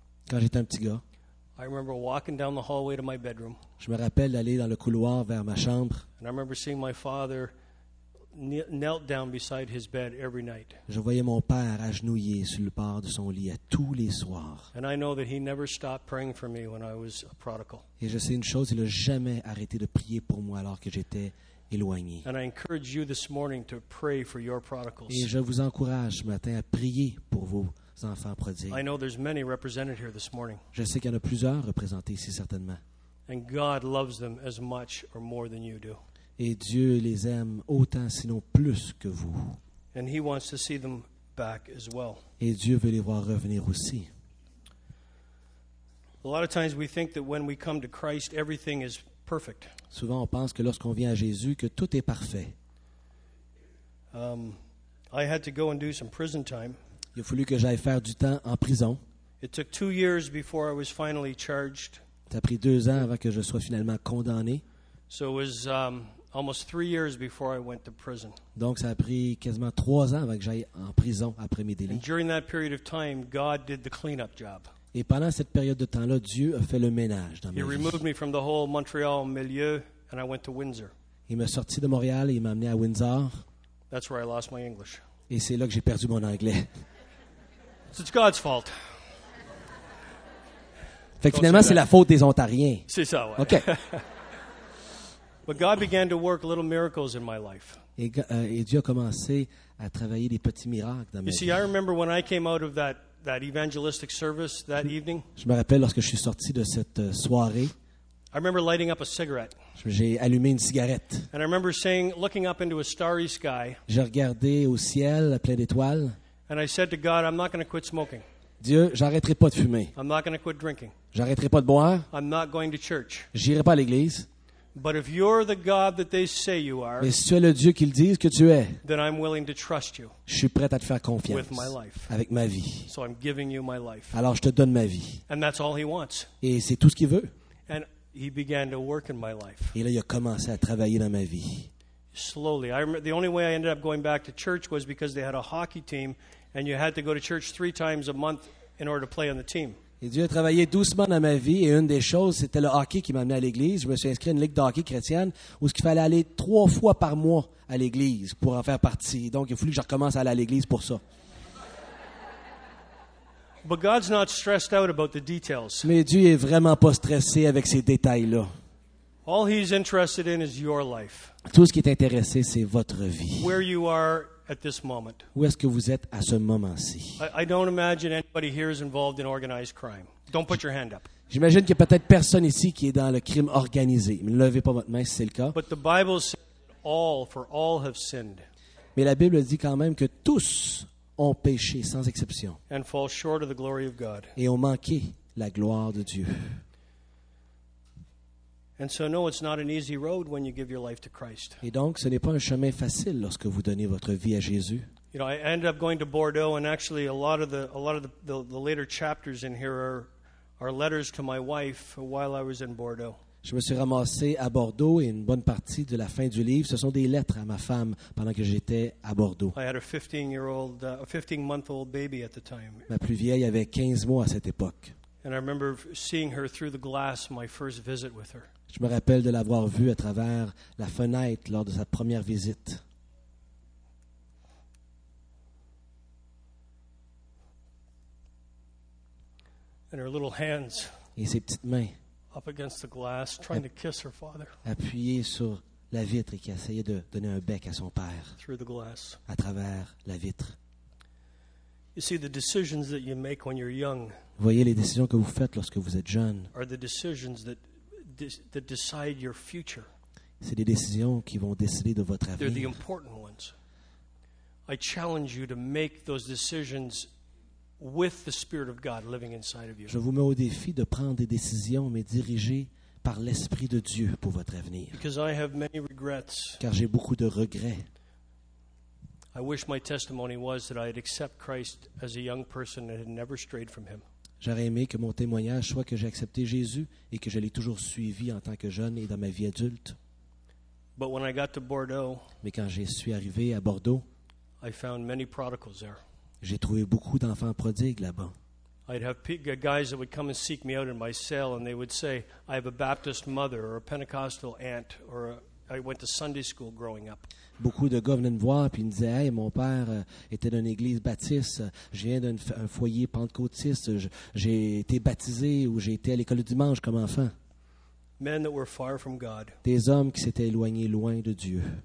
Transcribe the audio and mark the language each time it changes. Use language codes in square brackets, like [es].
[fr] quand j'étais un petit gars, [en] I remember walking down the hallway to my bedroom. [fr] Je me rappelle d'aller dans le couloir vers ma chambre. [en] And I remember seeing my father knelt down beside his bed every night. [fr] Je voyais mon père agenouillé sur le bord de son lit à tous les soirs. [en] And I know that he never stopped praying for me when I was a prodigal. [fr] Et je sais une chose, il a jamais arrêté de prier pour moi alors que j'étais éloigné. [en] And I encourage you this morning to pray for your prodigals. [fr] Et je vous encourage ce matin à prier pour vos enfants prodigues. [en] I know there's many represented here this morning. [fr] Je sais qu'il y en a plusieurs représentés ici certainement. [en] And God loves them as much or more than you do. [fr] Et Dieu les aime autant sinon plus que vous. [en] And he wants to see them back as well. [fr] Et Dieu veut les voir revenir aussi. [en] A lot of times we think that when we come to Christ everything is perfect. [fr] Souvent on pense que lorsqu'on vient à Jésus que tout est parfait. [en] I had to go and do some prison time. [fr] Il a fallu que j'aille faire du temps en prison. [en] It took 2 years before I was finally charged. [fr] Ça a pris 2 ans avant que je sois finalement condamné. [en] So it was almost 3 years before I went to prison. [fr] Donc ça a pris quasiment 3 ans avant que j'aille en prison après mes délits. [en] And during that period of time, God did the cleanup job. [fr] Et pendant cette période de temps-là, Dieu a fait le ménage dans ma vie. [en] He removed me from the whole Montreal milieu and I went to Windsor. [fr] Il m'a sorti de Montréal et il m'a amené à Windsor. [en] That's where I lost my English. [fr] Et c'est là que j'ai perdu mon anglais. [en] It's God's fault. [fr] Fait que finalement, c'est la faute des Ontariens. C'est ça, ouais. [en] OK. But God began to work little miracles in my life. [fr] Et Dieu a commencé à travailler des petits miracles dans ma vie. [en] You see, I remember when I came out of that evangelistic service that evening. [fr] Je me rappelle lorsque je suis sorti de cette soirée. [en] I remember lighting up a cigarette. [fr] J'ai allumé une cigarette. [en] And I remember saying, looking up into a starry sky. [fr] J'ai regardé au ciel plein d'étoiles. [en] And I said to God, I'm not going to quit smoking. [fr] Dieu, j'arrêterai pas de fumer. [en] I'm not going to quit drinking. [fr] J'arrêterai pas de boire. [en] I'm not going to church. [fr] J'irai pas à l'église. [en] But if you're the God that they say you are, [fr] mais si tu es le Dieu qu'ils disent que tu es, [en] then I'm willing to trust you. [fr] Je suis prêt à te faire confiance. [en] With my life. [fr] Avec ma vie. [en] So I'm giving you my life. [fr] Alors je te donne ma vie. [en] And that's all he wants. [fr] Et c'est tout ce qu'il veut. [en] And he began to work in my life. [fr] Et là, il a commencé à travailler dans ma vie. [en] Slowly. I remember the only way I ended up going back to church was because they had a hockey team and you had to go to church 3 times a month in order to play on the team. [fr] Et Dieu a travaillé doucement dans ma vie et une des choses, c'était le hockey qui m'a amené à l'église. Je me suis inscrit à une ligue de hockey chrétienne où il fallait aller 3 fois par mois à l'église pour en faire partie. Donc, il a fallu que je recommence à aller à l'église pour ça. [en] But God's not stressed out about the details. [fr] Mais Dieu n'est vraiment pas stressé avec ces détails-là. [en] All he's interested in is your life. [fr] Tout ce qui est intéressé, c'est votre vie. [en] Where you are at this moment. [fr] Où est-ce que vous êtes à ce moment-ci? [en] I don't imagine anybody here is involved in organized crime. Don't put your hand up. [fr] J'imagine qu'il y a peut-être personne ici qui est dans le crime organisé. Ne levez pas votre main si c'est le cas. [en] But the Bible says all for all have sinned. [fr] Mais la Bible dit quand même que tous ont péché sans exception. [en] And fall short of the glory of God. [fr] Et ont manqué la gloire de Dieu. [en] And so, no, it's not an easy road when you give your life to Christ. [fr] Et donc, ce n'est pas un chemin facile lorsque vous donnez votre vie à Jésus. [en] You know, I ended up going to Bordeaux, and actually, a lot of the later chapters in here are letters to my wife while I was in Bordeaux. [fr] Je me suis ramassé à Bordeaux et une bonne partie de la fin du livre, ce sont des lettres à ma femme pendant que j'étais à Bordeaux. [en] I had a 15-month-old baby at the time. [fr] Ma plus vieille avait 15 mois à cette époque. [en] And I remember seeing her through the glass my first visit with her. [fr] Je me rappelle de l'avoir vue à travers la fenêtre lors de sa première visite. [en] And her little hands. [fr] Et ses petites mains. [en] Up against the glass, trying to kiss her father. [fr] Appuyée sur la vitre et qui essayait de donner un bec à son père. [en] Through the glass. [fr] À travers la vitre. [en] You see, the decisions that you make when you're young. [fr] Vous voyez les décisions que vous faites lorsque vous êtes jeune. [en] Are the decisions that decide your future. [fr] C'est des décisions qui vont décider de votre avenir. [en] They're the important ones. I challenge you to make those decisions with the Spirit of God living inside of you. [fr] Je vous mets au défi de prendre des décisions mais dirigées par l'Esprit de Dieu pour votre avenir. [en] Because I have many regrets. [fr] Car j'ai beaucoup de regrets. [en] I wish my testimony was that I had accepted Christ as a young person and had never strayed from him. [fr] J'aurais aimé que mon témoignage soit que j'ai accepté Jésus et que je l'ai toujours suivi en tant que jeune et dans ma vie adulte. [en] But when I got to Bordeaux, [fr] mais quand je suis arrivé à Bordeaux, [en] I found many prodigals there. [fr] J'ai trouvé beaucoup d'enfants prodigues là-bas. [en] I'd have guys that would come and seek me out in my cell and they would say, I have a Baptist mother or a Pentecostal aunt or I went to Sunday school growing up. [fr] Beaucoup de gars venaient me voir puis ils me disaient, hey, mon père était d'une église baptiste, je viens d'un foyer pentecôtiste, j'ai été baptisé ou j'ai été à l'école du dimanche comme enfant. [en] Men that were far from God. [fr] Des hommes qui s'étaient éloignés loin de Dieu.